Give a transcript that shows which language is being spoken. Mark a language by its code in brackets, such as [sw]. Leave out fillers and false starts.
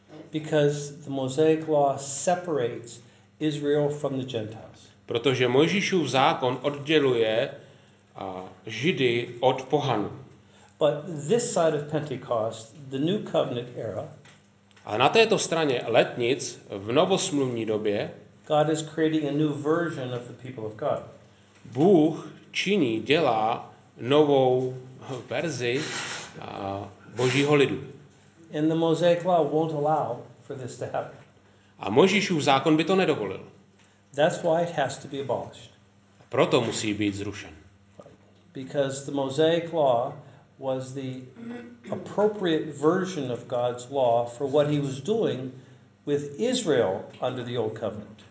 [en] Because the Mosaic law separates Israel from the Gentiles. [cs] Protože Mojžíšův zákon odděluje Židy od pohanů. [en] But this side of Pentecost, the New Covenant era. [cs] A na této straně letnic v novosmluvní době. [en] God is creating a new version of the people of God. [cs] Bůh činí, dělá novou verzi Božího lidu. [en] And the Mosaic law won't allow for this to happen. [cs] A Mojžíšův zákon by to nedovolil. [en] That's why it has to be abolished. [cs] Proto musí být zrušen. [en] Because the Mosaic law was the appropriate version of God's law for what he was doing with Israel under the old covenant.